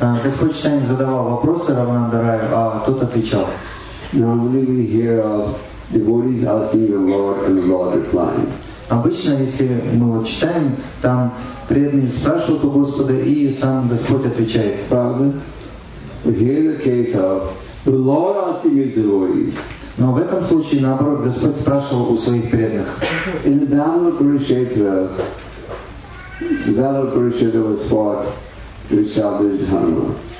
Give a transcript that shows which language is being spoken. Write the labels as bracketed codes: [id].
[ru] Господь Читанием задавал вопросы Рамананда Раю, а тот отвечал. [en] Normally we hear of devotees asking the Lord and the Lord replying. [ru] Обычно, если мы вот читаем, там преданный спрашивает у Господа, и сам Господь отвечает. Правда? [en] Here the case of the Lord asking his devotees. [ru] Но в этом случае, наоборот, Господь спрашивал у своих преданных. [en] In the battle of Kurukshetra, was fought to establish Dharma.